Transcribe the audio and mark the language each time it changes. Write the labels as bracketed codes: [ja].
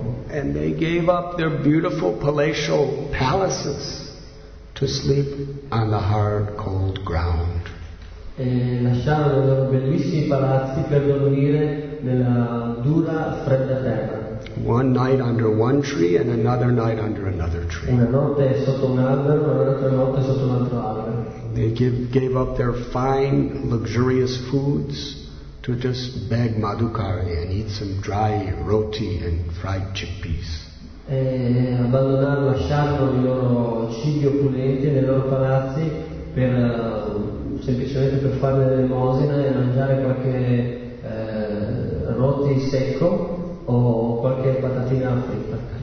[en] And they gave up their beautiful palatial palaces to sleep on the hard, cold ground. [it] E lasciarono i loro bellissimi palazzi per dormire nella dura, fredda terra. [en] One night under one tree and another night under another tree. [it] Una notte sotto un albero e un'altra notte sotto un altro albero. [en] They gave up their fine, luxurious foods to just beg Madhukari and eat some dry roti and fried chickpeas. [it] Abbandonarono, lasciarono i loro cibi opulenti nei loro palazzi per semplicemente per fare l'elemosina e mangiare qualche roti secco o qualche patatina fritta.